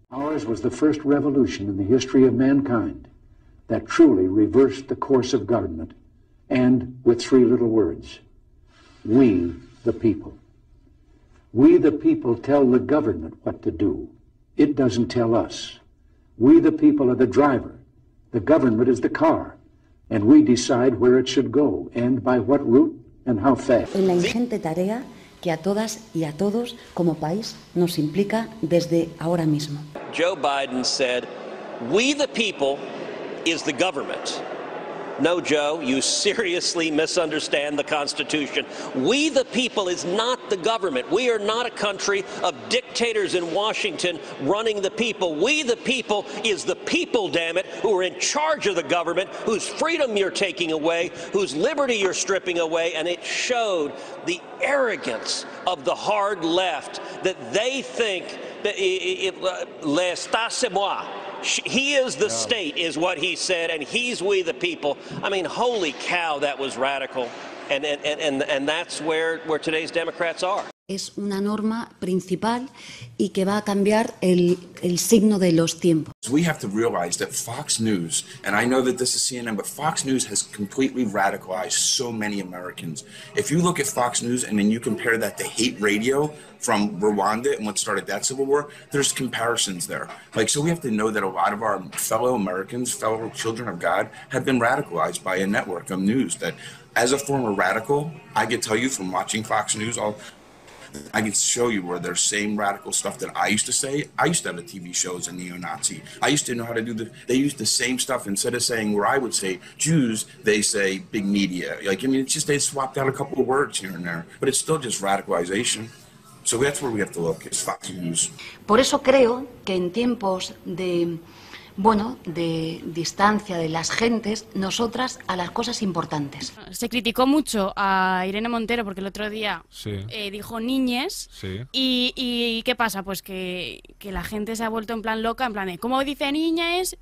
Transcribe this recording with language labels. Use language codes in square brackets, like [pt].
[en] Ours was the first revolution in the history of mankind that truly reversed the course of government, and with three little words, we the people. We the people tell the government what to do. It doesn't tell us. We the people are the driver. The government is the car. And we decide where it should go and by what route and how fast. [es] En la ingente tarea que a todas y a todos como país nos implica desde ahora mismo. [en] Joe Biden said, we the people is the government. No, Joe, you seriously misunderstand the Constitution. We the people is not the government. We are not a country of dictators in Washington running the people. We the people is the people, damn it, who are in charge of the government, whose freedom you're taking away, whose liberty you're stripping away, and it showed the arrogance of the hard left that they think that [fr] l'estat c'est moi. [en] He is the state, is what he said, and he's we the people. I mean, holy cow, that was radical. And that's where today's Democrats are. [es] Es una norma principal y que va a cambiar el signo de los tiempos. [en] We have to realize that Fox News, and I know that this is CNN, but Fox News has completely radicalized so many Americans. If you look at Fox News and then you compare that to hate radio from Rwanda and what started that civil war, there's comparisons there. Like, so we have to know that a lot of our fellow Americans, fellow children of God, have been radicalized by a network of news that, as a former radical, I can tell you from watching Fox News, I can show you where there's same radical stuff that I used to say. I used to have a TV show as a neo-Nazi. I used to know how to do they used the same stuff. Instead of saying where I would say Jews, they say big media. Like, I mean, it's just they swapped out a couple of words here and there, but it's still just radicalization. So that's where we have to look, is Fox News. [es] Por eso creo que en tiempos de, bueno, de distancia de las gentes, nosotras a las cosas importantes. Se criticó mucho a Irene Montero porque el otro día dijo niñes. Sí. ¿Y qué pasa? Pues que la gente se ha vuelto en plan loca, en plan de, ¿cómo dice niñes?